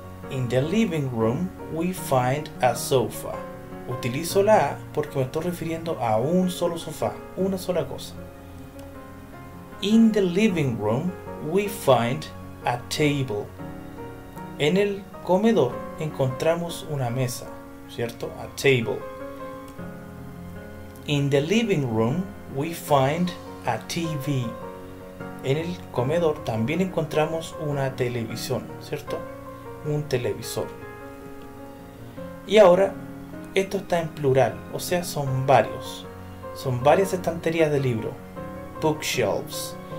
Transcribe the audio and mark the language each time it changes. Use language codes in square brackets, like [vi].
[en] In the living room, we find a sofa. [es] Utilizo la A porque me estoy refiriendo a un solo sofá, una sola cosa. [en] In the living room, we find a table. [es] En el comedor encontramos una mesa, ¿cierto? [en] A table. In the living room, we find a TV. [es] En el comedor también encontramos una televisión, ¿cierto? Un televisor. Y ahora, esto está en plural, o sea, son varios. Son varias estanterías de libro. Bookshelves.